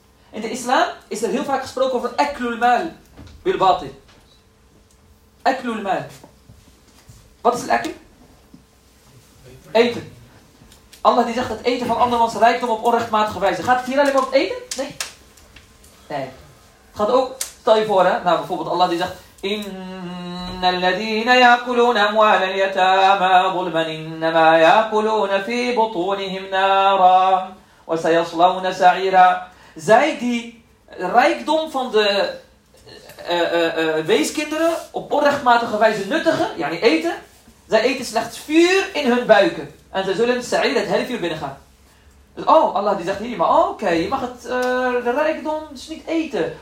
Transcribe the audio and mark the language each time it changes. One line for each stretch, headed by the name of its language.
Dutch: In de islam is er heel vaak gesproken over
Arabic: eklul mal bil batil.
Dutch: Eklul mal. Wat is ekl? Eten. Allah die zegt het eten van andermans rijkdom op onrechtmatige wijze. Gaat het hier alleen maar om eten? Nee. Nee. Het gaat ook, stel je voor, hè? Nou, bijvoorbeeld Allah die zegt
Arabic: إن الذين يأكلون أموال اليتامى ظلما إنما يأكلون في بطونهم نارا وسيصلون سعيرا.
Dutch: Zij die rijkdom van de weeskinderen op onrechtmatige wijze nuttigen, yani eten, zij eten slechts vuur in hun buiken en zij zullen sa'ir het hele vuur binnengaan. Dus, oh, Allah die zegt hier, maar oké, okay, je mag het de rijkdom dus niet eten.